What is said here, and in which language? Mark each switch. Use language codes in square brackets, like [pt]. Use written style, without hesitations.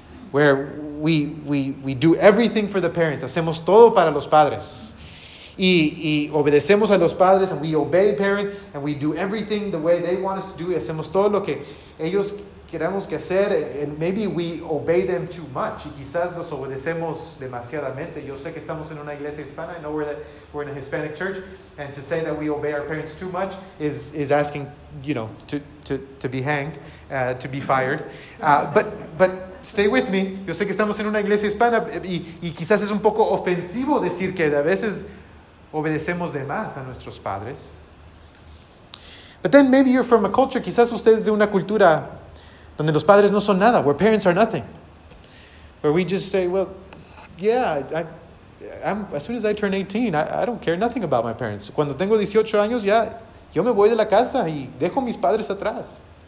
[en] Where we do everything for the parents. [es] Hacemos todo para los padres. Y obedecemos a los padres, [en] and we obey parents, and we do everything the way they want us to do. [es] Y hacemos todo lo que ellos queremos que hacer, [en] and maybe we obey them too much. [es] Y quizás los obedecemos demasiadamente. Yo sé que estamos en una iglesia hispana. [en] I know we're in a Hispanic church, and to say that we obey our parents too much is asking, you know, to be hanged, to be fired. But stay with me. [es] Yo sé que estamos en una iglesia hispana, y quizás es un poco ofensivo decir que a veces obedecemos de más a nuestros padres. [en] But then maybe you're from a culture, [es] quizás ustedes de una cultura donde los padres no son nada, [en] where parents are nothing. Where we just say, well, yeah, I'm as soon as I turn 18, I don't care nothing about my parents. [es] Cuando tengo 18 años, ya, yo me voy de la casa y dejo mis padres atrás.